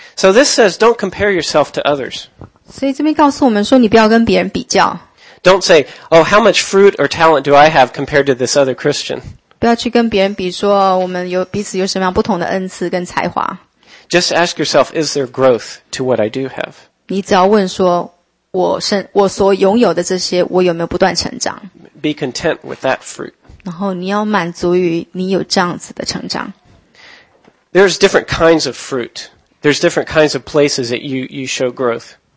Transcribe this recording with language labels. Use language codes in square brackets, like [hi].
[en] So this says, don't compare yourself to others. [zh] 所以这边告诉我们说，你不要跟别人比较。 [en] Don't say, oh, how much fruit or talent do I have compared to this other Christian? [zh] 不要去跟别人比说，我们有彼此有什么样不同的恩赐跟才华。 [en] Just ask yourself, is there growth to what I do have? [zh] 你只要问说我所拥有的这些，我有没有不断成长？ [en] Be content with that fruit. [zh] 然后你要满足于你有这样子的成长。 [en] There's different kinds of fruit. There's different kinds of places that you show growth.